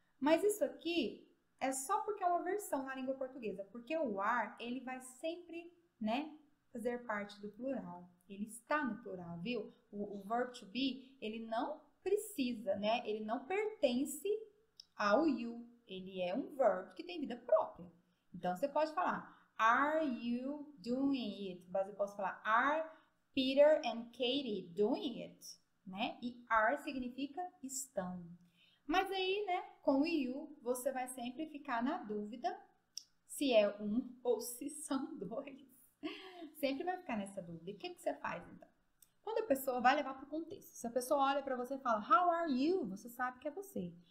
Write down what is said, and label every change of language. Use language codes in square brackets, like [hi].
[pt] Mas isso aqui é só porque é uma versão na língua portuguesa, porque o are, ele vai sempre, né, fazer parte do plural. Ele está no plural, viu? O verbo to be, ele não precisa, né? Ele não pertence ao you. Ele é um verbo que tem vida própria. Então, você pode falar, [en] are you doing it? [pt] Mas eu posso falar, [en] are Peter and Katie doing it? [pt] Né? E are significa estão. Mas aí, né, com o you, você vai sempre ficar na dúvida se é um ou se são dois. Sempre vai ficar nessa dúvida. E o que, que você faz, então? Quando a pessoa vai levar para o contexto. Se a pessoa olha para você e fala, [en] how are you? [pt] Você sabe que é você.